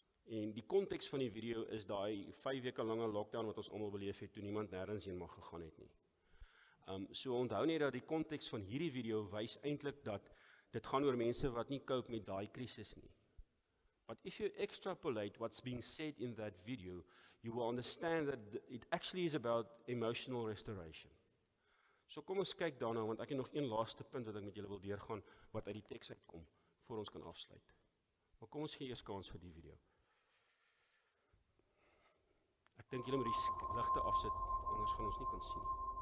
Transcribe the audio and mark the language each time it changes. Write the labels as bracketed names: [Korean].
[Afrikaans] En die context van die video is die 5 weke lange lockdown wat ons allemaal beleef het, toe niemand nergens heen mag gegaan het nie. So onthou nie dat die context van hierdie video wys eintlik dat dit gaan oor mense wat nie koop met die krisis nie. [English] But if you extrapolate what's being said in that video, you will understand that it actually is about emotional restoration. [Afrikaans] So kom ons kyk daarna, want ek het nog een laaste punt wat ek met julle wil deurgaan, wat uit die tekst uitkom, voor ons kan afsluit. Maar kom ons gee eers kans vir die video. Ek dink julle moet die ligte afsit, anders gaan ons nie kan sien nie.